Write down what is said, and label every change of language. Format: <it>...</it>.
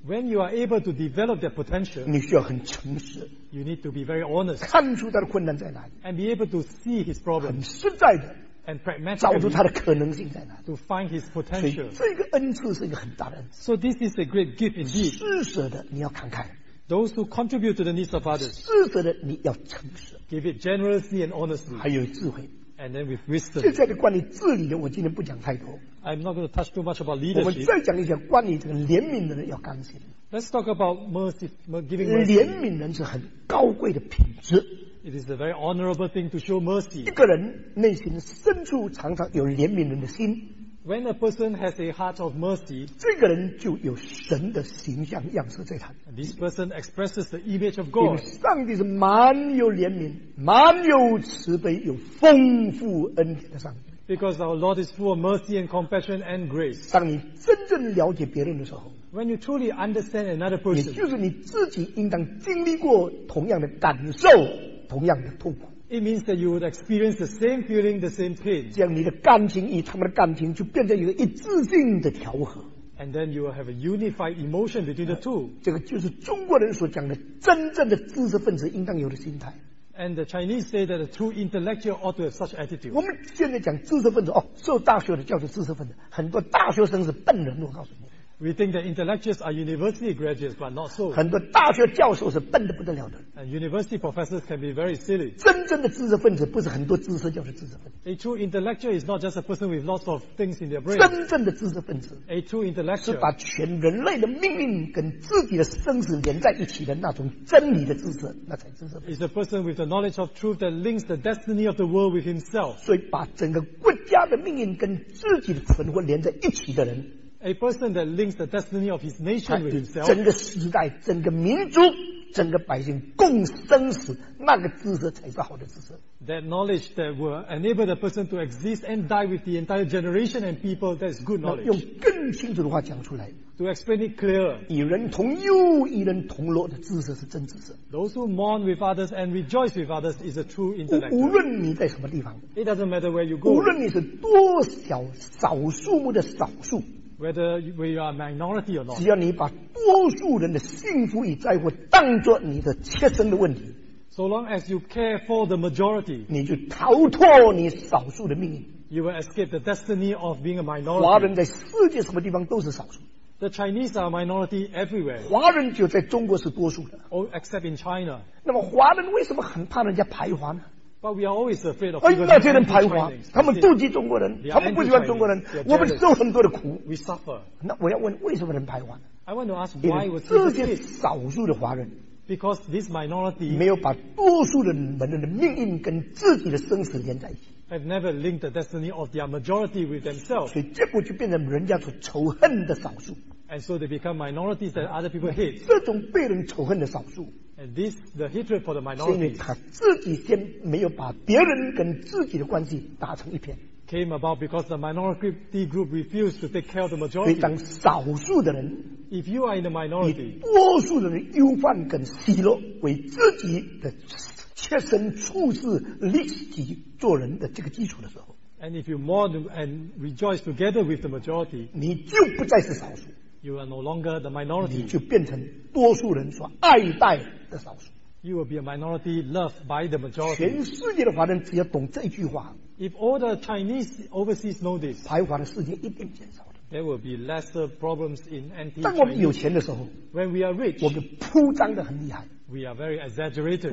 <en>When you are able to develop their potential,</en> <zh>你需要很诚实。</zh> <en>You need to be very honest.</en> <zh>看出他的困难在哪里。</zh> <en>And be able to see his problem.</en> <zh>很实在的。</zh> <en>And pragmatic.</en> <zh>找出他的可能性在哪里。</zh> <en>To find his potential.</en> <zh>所以这个恩赐是一个很大的恩赐。</zh> <en>So this is a great gift indeed.</en> <zh>施舍的你要看看。</zh> <en>Those who contribute to the needs of others.</en> <zh>施舍的你要诚实。</zh> <en>Give it generously and honestly.</en> <zh>还有智慧。</zh> <en>And then with wisdom.</en> <zh>现在的管理治理的，我今天不讲太多。</zh> <en>I'm not going to touch too much about leadership.</en> <zh>我们再讲一讲管理这个怜悯的人要刚性。</zh> <en>Let's talk about mercy, giving mercy.</en> <zh>怜悯人是很高贵的品质。</zh> <en>It is a very honorable thing to show mercy.</en> <zh>一个人内心深处常常有怜悯人的心。</zh> <en>When a person has a heart of mercy,</en> <zh>这个人就有神的形象样式在他。</zh> <en>This person expresses the image of God.</en> <zh>因为上帝是满有怜悯、满有慈悲、有丰富恩典的上帝。</zh> <en>Because our Lord is full of mercy and compassion and grace.</en> <zh>当你真正了解别人的时候，</zh> <en>When you truly understand another person,</en> <zh>也就是你自己应当经历过同样的感受、同样的痛苦。</zh> <en>It means that you would experience the same feeling, the same pain.</en> <zh>这样你的感情与他们的感情就变成一个一致性的调和。</zh> <en>And then you will have a unified emotion between the two.</en> <zh>这个就是中国人所讲的真正的知识分子应当有的心态。</zh> <en>And the Chinese say that a true intellectual ought to have such attitude.</en> <zh>我们现在讲知识分子，哦，受大学的教授知识分子，很多大学生是笨人，我告诉你。</zh> <en>We think that intellectuals are university graduates, but not so.</en> <zh>很多大学教授是笨得不得了的。</zh> <en>And university professors can be very silly.</en> <zh>真正的知识分子不是很多知识就是知识分子。</zh> <en>A true intellectual is not just a person with lots of things in their brain.</en> <zh>真正的知识分子。</zh> <en>A true intellectual</en> <zh>是把全人类的命运跟自己的生死连在一起的那种真理的知识，那才知识分子。</zh> <en>Is a person with the knowledge of truth that links the destiny of the world with himself.</en> <zh>所以把整个国家的命运跟自己的存活连在一起的人。</zh> <en>A person that links the destiny of his nation with himself.</en> <zh>整个时代、整个民族、整个百姓共生死，那个知识才是好的知识。</zh> <en>That knowledge that will enable the person to exist and die with the entire generation and people, that is good knowledge.</en> <zh>用更清楚的话讲出来。</zh> <en>To explain it clearer.</en> <zh>与人同忧、与人同乐的知识是真知识。</zh> <en>Those who mourn with others and rejoice with others is a true intellect.</en> <zh>无论你在什么地方。</zh> <en>It doesn't matter where you go.</en> <zh>无论你是多少少数目的少数。</zh> <en>Whether we are a minority or not,</en> <zh>只要你把多数人的幸福与在乎当作你的切身的问题，</zh> <en>so long as you care for the majority,</en> <zh>你就逃脱你少数的命运。</zh> <en>You will escape the destiny of being a minority.</en> <zh>华人在世界什么地方都是少数。</zh> <en>The Chinese are a minority everywhere.</en> <zh>华人就在中国是多数的。</zh> <en>Oh, except in China.</en> <zh>那么华人为什么很怕人家排华呢？</zh> <en>But we are always afraid of people.</en> <zh>哎，那些人排华，他们妒忌中国人，他们不喜欢中国人，我们受很多的苦。</zh> <en>We suffer.</en> <zh>那我要问，为什么人排华</zh> <en>？I want to ask why was this?</en> <zh>这些少数的华人</zh> <en>，because this minority</en> <zh>没有把多数的人的命运跟自己的生死连在一起。</zh> <en>Have never linked the destiny of their majority with themselves.</en> <zh>所以结果就变成人家所仇恨的少数。</zh> <en>And so they become minorities that other people hate.</en> <zh>这种被人仇恨的少数。</zh> <en>And this, the hatred for the minority.</en> <zh>因为他自己先没有把别人跟自己的关系打成一片。</zh> <en>Came about because the minority group refused to take care of the majority.</en> <zh>所以当少数的人，</zh> <en>if you are in the minority,</en> <zh>以多数的人忧患跟喜乐为自己的切身处事利己做人的这个基础的时候，</zh> <en>and if you mourn and rejoice together with the majority,</en> <zh>你就不再是少数。</zh> <en>You are no longer the minority.</en> <zh>你就变成多数人所爱戴的少数。</zh> <en>You will be a minority loved by the majority.</en> <zh>全世界的华人只要懂这句话，</zh> <en>If all the Chinese overseas know this,</en> <zh>排华的世界一定减少的。</zh> <en>There will be lesser problems in anti-Chinese.</en> <zh>当我们有钱的时候，</zh> <en>When we are rich,</en> <zh>我们铺张得很厉害。</zh> <en>We are very exaggerated.</en>